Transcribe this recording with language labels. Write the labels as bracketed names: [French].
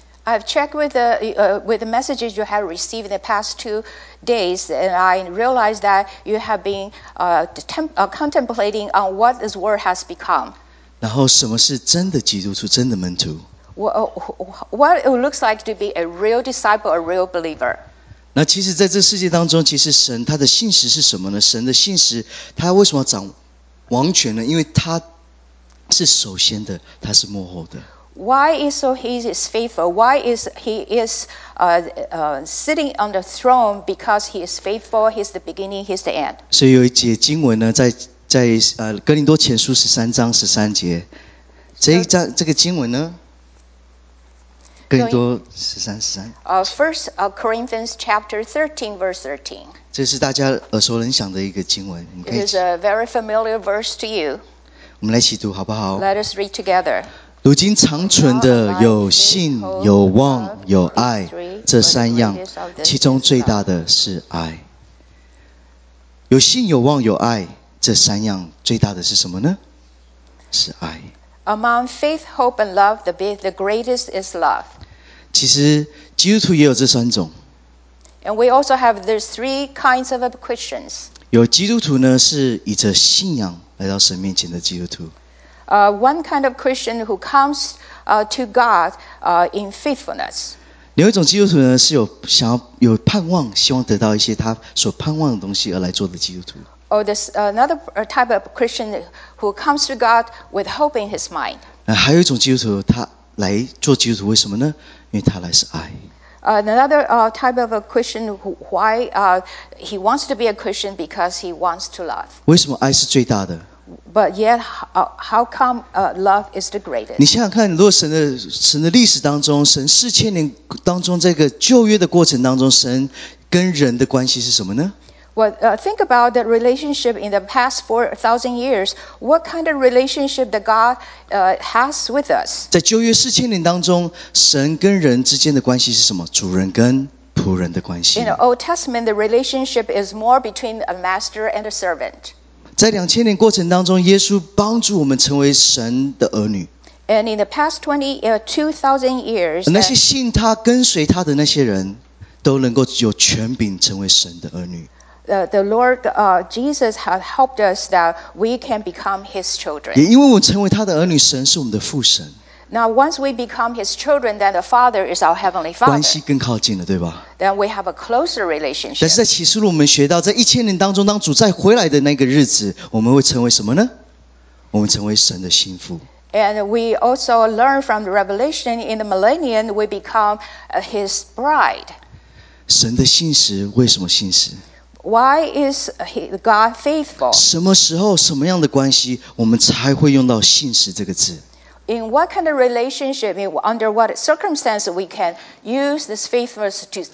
[English] I've checked with the messages you have received in the past 2 days, and I realized that you have been contemplating on what this world has become. [Chinese] 然后什么是真的基督徒，真的门徒 [English] what it looks like to be a real disciple, a real believer. [Chinese] 那其实在这世界当中，其实神他的信实是什么呢？神的信实，他为什么要掌王权呢？因为他是首先的，他是幕后的。 [English] Why is so he is faithful? Why is he is sitting on the throne? Because he is faithful. He's the beginning. He's the end. [Chinese] 所以有一节经文呢，在哥林多前书13:13，这个经文呢，哥林多13:13。 [English] First Corinthians chapter 13:13. [Chinese] 这是大家耳熟能详的一个经文。 [English] It is a very familiar verse to you. [Chinese] 我们来一起读好不好 [English] ？Let us read together. [Chinese] 如今长存的有信、有望、有爱，这三样，其中最大的是爱。有信、有望、有爱，这三样最大的是什么呢？是爱。 [English] Among faith, hope, and love, the greatest is love. [Chinese] 其实基督徒也有这三种。 [English] And we also have these three kinds of Christians. [Chinese] 有基督徒呢，是以着信仰来到神面前的基督徒。 [English] One kind of Christian who comes to God in faithfulness. [Chinese] 另外一种基督徒呢，是有想要有盼望，希望得到一些他所盼望的东西而来做的基督徒。 [English] Or this another type of Christian who comes to God with hope in his mind. [Chinese] 还有一种基督徒，他来做基督徒，为什么呢？因为他来是爱。 [English] Another type of a Christian why he wants to be a Christian because he wants to love. [Chinese] 为什么爱是最大的？ [English] But yet, how come love is the greatest? [Chinese] 你想想看，如果神的历史当中，神四千年当中，这个旧约的过程当中，神跟人的关系是什么呢？ [English] Well, think about the relationship in the past 4,000 years. What kind of relationship that God has with us? [Chinese] 在旧约四千年当中，神跟人之间的关系是什么？主人跟仆人的关系。 [English] In the Old Testament, the relationship is more between a master and a servant. [Chinese] 在两千年过程当中，耶稣帮助我们成为神的儿女。 [English] And in the past 2,000 years, [Chinese] 那些信他、跟随他的那些人，都能够有权柄成为神的儿女。 [English] The Lord Jesus has helped us that we can become His children. [Chinese] 也因为我们成为他的儿女，神是我们的父神。 [English] Now, once we become His children, then the Father is our heavenly Father. [Chinese] 关系更靠近了，对吧？ [English] Then we have a closer relationship. [Chinese] 但是在启示录，我们学到，在一千年当中，当主再回来的那个日子，我们会成为什么呢？我们成为神的心腹。 [English] And we also learn from the Revelation in the millennium, we become His bride. [Chinese] 神的信实为什么信实？ [English] Why is God faithful? [Chinese] 什么时候什么样的关系我们才会用到信实这个字？ [English] In what kind of relationship, under what circumstance we can use this faithfulness to describe?